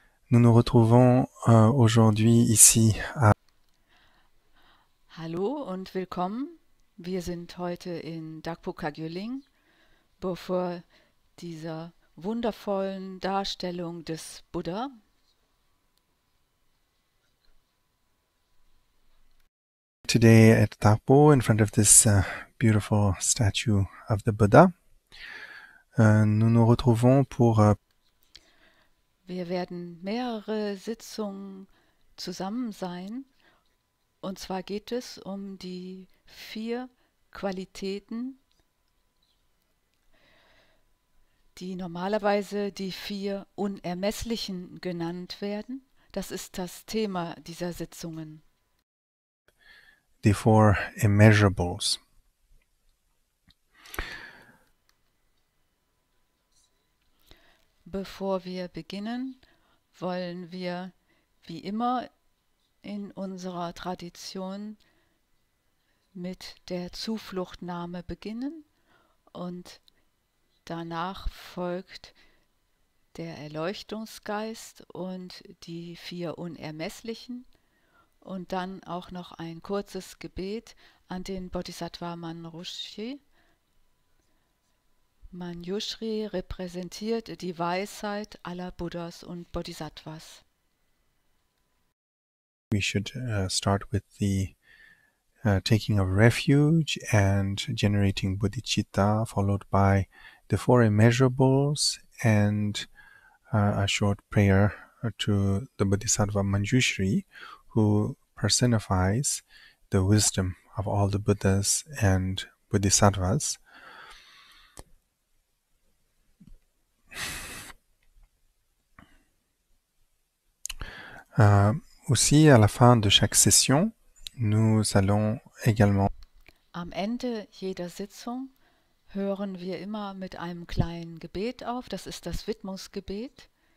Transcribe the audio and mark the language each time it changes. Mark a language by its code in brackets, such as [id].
[fr] Nous nous retrouvons aujourd'hui ici à... [de] Hallo und willkommen. Wir sind heute in Dakpo Kagyüling vor dieser wundervollen Darstellung des Buddha. [en] Today at Thapo, in front of this beautiful statue of the Buddha. [fr] Nous nous retrouvons pour [de] Wir werden mehrere Sitzungen zusammen sein. Und zwar geht es um die vier Qualitäten, die normalerweise die vier Unermesslichen genannt werden. Das ist das Thema dieser Sitzungen. [en] the four immeasurables. [de] Bevor wir beginnen, wollen wir wie immer in unserer Tradition mit der Zufluchtnahme beginnen und danach folgt der Erleuchtungsgeist und die vier Unermesslichen und dann auch noch ein kurzes Gebet an den Bodhisattva Manjushri. Manjushri repräsentiert die Weisheit aller Buddhas und Bodhisattvas. [en] We should start with the taking of refuge and generating bodhicitta, followed by the four immeasurables and a short prayer to the Bodhisattva Manjushri, who personifies the wisdom of all the Buddhas and Bodhisattvas. [fr] Aussi, à la fin de chaque session, nous allons également... [de] Am Ende jeder Sitzung hören wir immer mit einem kleinen Gebet auf, das ist das Widmungsgebet.